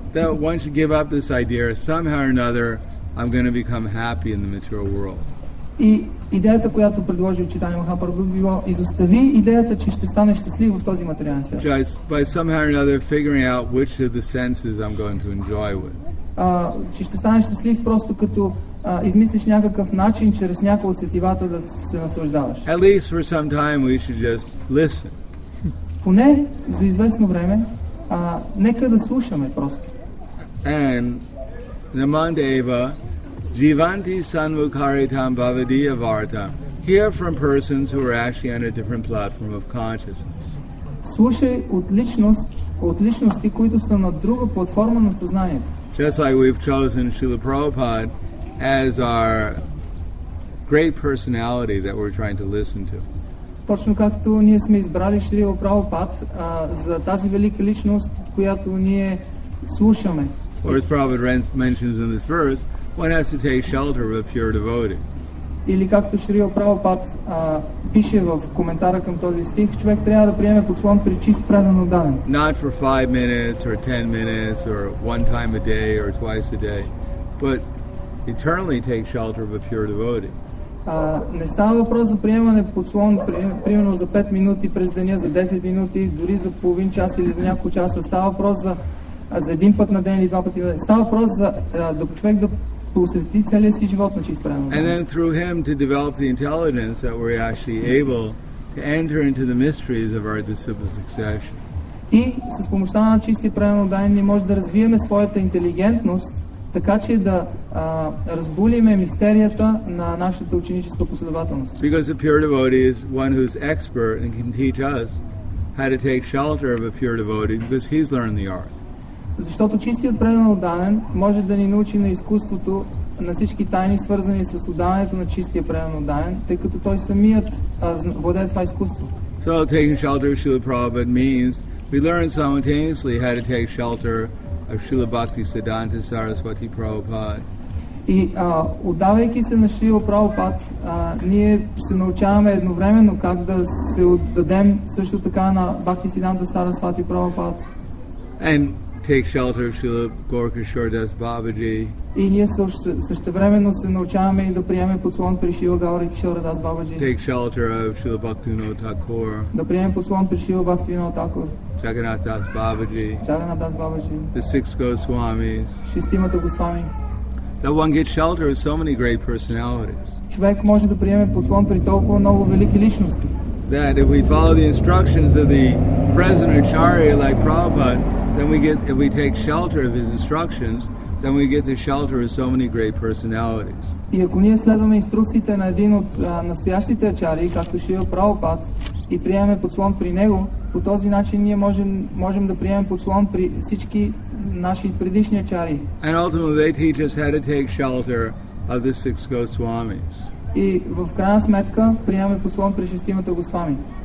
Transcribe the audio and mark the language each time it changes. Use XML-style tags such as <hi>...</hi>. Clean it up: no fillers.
<en>That one should give up this idea, somehow or another, I'm going to become happy in the material world.</en> <bg>И идеята, която предложил Чайтанья Махапрабху, било изостави идеята, че ще стане щастлив в този материален свят.</bg> <en>Just by somehow or another figuring out which of the senses I'm going to enjoy with.</en> <bg>Че ще станеш щастлив просто като измислиш някакъв начин чрез някои от сетивата да се наслаждаваш.</bg> <en>At least for some time we should just listen.</en> <bg>Поне за известно време нека да слушаме просто.</bg> <sa>And Namandeva Jivanti Sanvukaritam Bhavadiya Vartam.</sa> <en>Hear from persons who are actually on a different platform of consciousness.</en> <bg>Слушай от личности, които са на друга платформа на съзнанието.</bg> <en>Just like we've chosen Srila Prabhupada as our great personality that we're trying to listen to.</en> <bg>точно както ние сме избрали Шрила Прабхупад за тази велика личност, която ние слушаме.</bg> <en>Or as Prabhupada mentions in this verse, one has to take shelter of a pure devotee.</en> <bg>Или както Шрила Прабхупад пише в коментара към този стих, човек трябва да приеме подслон при чист предан отдаден.</bg> <en>Not for 5 minutes or 10 minutes or one time a day or twice a day, but eternally take shelter of a pure devotee.</en> <bg>Не става въпрос за приемане подслон примерно за 5 минути през деня, за 10 минути, дори за половин час или за няколко часа. Става въпрос за един път на ден или два пъти на ден. Става въпрос за да човек да посвети целия си живот на чист преданост.</bg> <en>And then through him to develop the intelligence that we're actually able to enter into the mysteries of our disciple succession.</en> <bg>И с помощта на чисти преданост ние може да развиеме своята интелигентност, така че да разбулиме мистерията на нашата ученическа последователност.</bg> <en>Because a pure devotee is one who's expert and can teach us how to take shelter of a pure devotee because he's learned the art.</en> <bg>Защото чистият предан отдаден може да ни научи на изкуството, на всички тайни, свързани с отдаването на чистия предан отдаден, тъй като той самият владее това изкуство.</bg> <en>So taking shelter of Srila Prabhupada means we learn simultaneously how to take shelter of Srila Bhakti Siddhanta Saraswati Prabhupada.</en> <bg>И отдавайки се на Шрила Прабхупад, ние се научаваме едновременно как да се отдадем също така на Бхакти Сиданта Сарасвати Прабхупад.</bg> <en>And take shelter of Srila Gaurakishore Das Babaji.</en> <bg>И ние същевременно се научаваме и да приемем подслон при Шрила Гаурикишора Дас Бабаджи.</bg> <en>Take shelter of Srila Bhaktivinoda Thakur.</en> <bg>Да приемем подслон при Шрила Бхактивинода Такур.</bg> <en>Jagannath Das Babaji.</en> <bg>Jagannath Das Babaji.</bg> <en>The six Goswamis.</en> <bg>Шестимата Госвами.</bg> <en>That one gets shelter of so many great personalities.</en> <bg>Човек може да приеме подслон при толкова много велики личности.</bg> <en>That if we follow the instructions of the present Acharya like Prabhupada, then we get, if we take shelter of his instructions, then we get the shelter of so many great personalities.</en> <bg>И ако ние следваме инструкциите на един от настоящите Ачари, както Шрила Прабхупад, и приемем подслон при него, по този начин ние можем да приемем подслон при всички наши предишни Ачари.</bg> <en>And ultimately they teach us how to take shelter of the six Goswamis.</en> <bg>И в крайна сметка приемаме подслон при шестимата Госвами.</bg>